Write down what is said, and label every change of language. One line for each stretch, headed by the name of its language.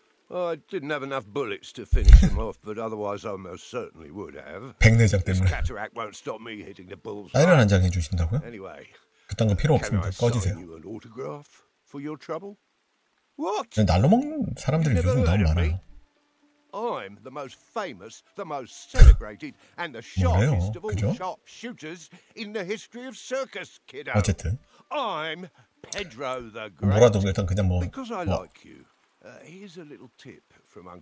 English: I didn't have enough bullets to finish him off, but otherwise I most certainly would have.
Korean: 백내장 때문에.
English: Cataract won't stop me hitting the bulls.
Korean: 아이런 한 장 해주신다고요? Anyway, 그딴 거 필요 없습니다. 꺼지세요.
English: Can I sign you an autograph for your trouble? What?
Korean: 날로 먹는 사람들이 요즘 너무 많아요.
English: I'm the most famous, the most celebrated, and the sharpest of all sharpshooters in the history of circus, kiddo.
Korean: 어쨌든.
English: I'm Pedro the Great.
Korean: 뭐라도 일단 그냥 뭐.
English: Because I like you. Here's a little tip from Uncle.